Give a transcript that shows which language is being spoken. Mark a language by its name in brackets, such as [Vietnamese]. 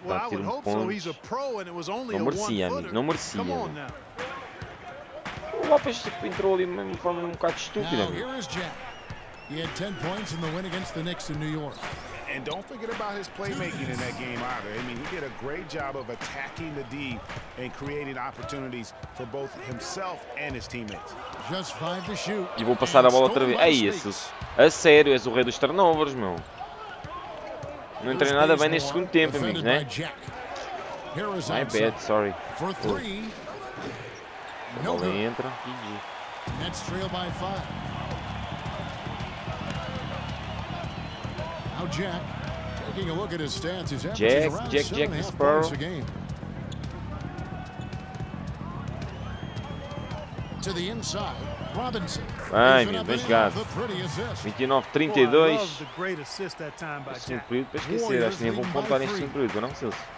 [Portuguese] Está a tirar um ponto. Não merecia, amigo. Não merecia. O Lopes entrou ali de uma forma um bocado estúpida, amigo. [English] And don't forget about his playmaking in that game either. I mean, he did a great job of attacking the D and creating opportunities for both himself and his teammates. Just five to shoot. [Portuguese] E vou passar a bola outra vez. Ei, esses. A sério, és o rei dos turnovers, meu. Não entrei nada bem neste segundo tempo, amigos, né? [English] My bad, sorry. For three. [Portuguese] A bola entra. [English] Nets trail by five. Now Jack, taking a look at his stats, he's averaging Jack, around Jack, 7.5 points a game. To the inside, Robinson. [Portuguese] Ai, meu, bem jogado. 29-32. [English] Boy, I love the great assist that time by Jack. [Portuguese] Período, para esquecer, acho que nem vou pontuar neste período, não sei se...